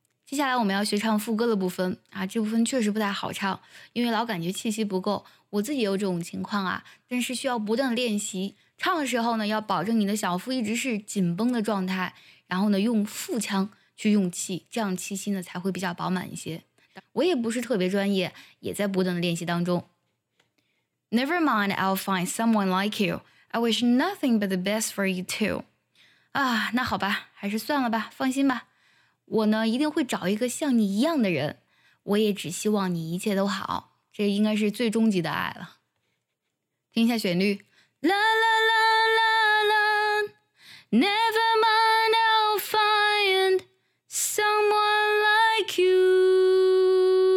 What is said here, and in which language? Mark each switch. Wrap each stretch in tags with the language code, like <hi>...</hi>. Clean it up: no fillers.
<zh>接下来我们要学唱副歌的部分啊，这部分确实不太好唱，因为老感觉气息不够，我自己也有这种情况啊，但是需要不断练习。唱的时候呢，要保证你的小腹一直是紧绷的状态，然后呢用腹腔去用气，这样气息呢才会比较饱满一些。我也不是特别专业，也在不断的练习当中。</zh> <en>Never mind, I'll find someone like you. I wish nothing but the best for you too.</en> <zh>啊，那好吧，还是算了吧，放心吧，我呢一定会找一个像你一样的人，我也只希望你一切都好，这应该是最终极的爱了。听一下旋律。</zh> <en>La la la la la, never mind, I'll find someone like you.</en>